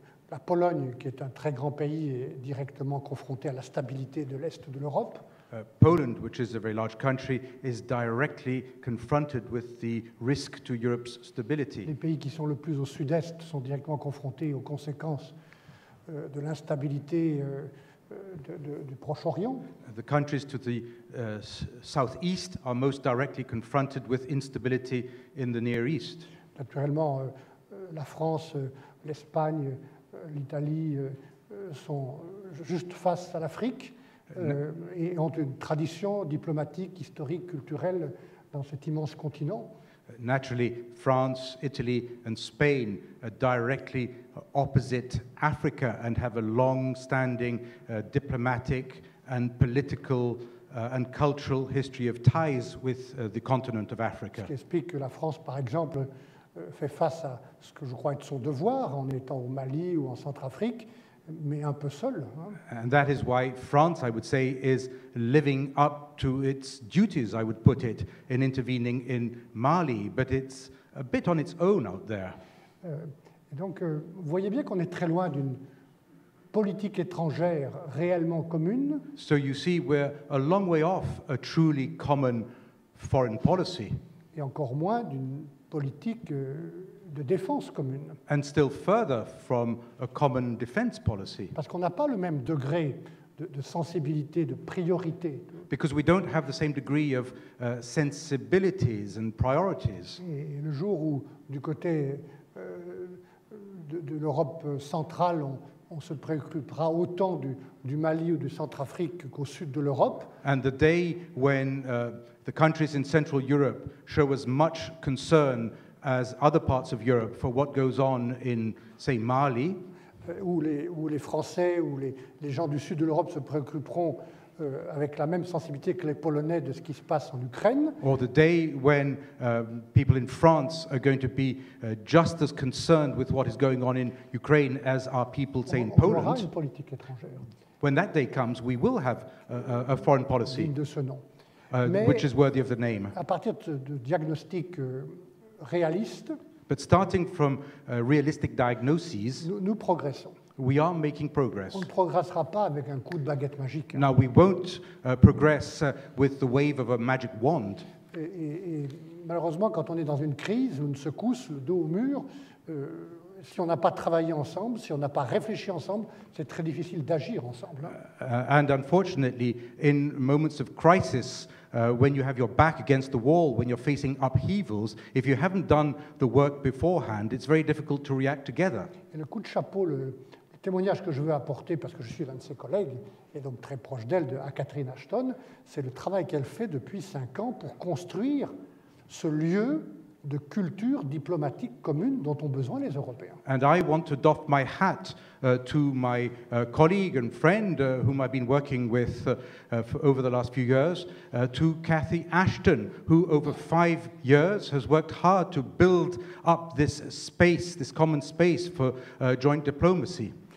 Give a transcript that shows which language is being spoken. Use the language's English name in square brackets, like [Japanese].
[French] La Pologne, qui est un très grand pays, est directement confrontée à la stabilité de l'Est de l'Europe. [English] Poland, which is a very large country, is directly confronted with the risk to Europe's stability. [French] Les pays qui sont le plus au sud-est sont directement confrontés aux conséquences de l'instabilité du Proche-Orient. [English] The countries to the southeast are most directly confronted with instability in the Near East. [French] Naturellement, la France, l'Espagne, l'Italie sont juste face à l'Afrique et ont une tradition diplomatique, historique, culturelle dans cet immense continent. [English] Naturally, France, Italy and Spain are directly opposite Africa and have a long-standing diplomatic and political and cultural history of ties with the continent of Africa. [French] Ce qui explique que la France, par exemple, fait face à ce que je crois être son devoir en étant au Mali ou en Centrafrique, mais un peu seul. [English] And that is why France, I would say, is living up to its duties, I would put it, in intervening in Mali, but it's a bit on its own out there. [French] Et donc, vous voyez bien qu'on est très loin d'une politique étrangère réellement commune. [English] So you see, we're a long way off a truly common foreign policy. [French] Et encore moins d'une politique de défense commune. [English] And still further from a common defense policy. [French] Parce qu'on n'a pas le même degré de sensibilité, de priorité. [English] Because we don't have the same degree of sensibilities and priorities. [French] Et le jour où, du côté de l'Europe centrale, on se préoccupera autant du Mali ou du Centrafrique qu'au sud de l'Europe. [English] And the day when the countries in Central Europe show as much concern as other parts of Europe for what goes on in, say, Mali. [French] Où les Français ou les gens du sud de l'Europe se préoccuperont avec la même sensibilité que les Polonais de ce qui se passe en Ukraine. [English] Or the day when people in France are going to be just as concerned with what is going on in Ukraine as our people, say, in Poland. [French] On aura une politique étrangère. [English] When that day comes, we will have a foreign policy. [French] Digne de ce nom. Mais [English] which is worthy of the name. [French] À partir de diagnostics réalistes. [English] But starting from realistic diagnoses, [French] nous progressons. [English] We are making progress. [French] On ne progressera pas avec un coup de baguette magique. [English] Now we won't progress with the wave of a magic wand. [French] Et malheureusement, quand on est dans une crise ou une secousse, le dos au mur, si on n'a pas travaillé ensemble, si on n'a pas réfléchi ensemble, c'est très difficile d'agir ensemble. [English] And unfortunately, in moments of crisis, when you have your back against the wall, when you're facing upheavals, if you haven't done the work beforehand, it's very difficult to react together. [French] Et le coup de chapeau, le témoignage que je veux apporter, parce que je suis l'un de ses collègues, et donc très proche d'elle, à Catherine Ashton, c'est le travail qu'elle fait depuis 5 ans pour construire ce lieu de culture diplomatique commune dont ont besoin les Européens. [English] And I want to doff my hat to my colleague and friend whom I've been working with over the last few years, to Cathy Ashton, who over 5 years has worked hard to build up this space, this common space for joint diplomacy.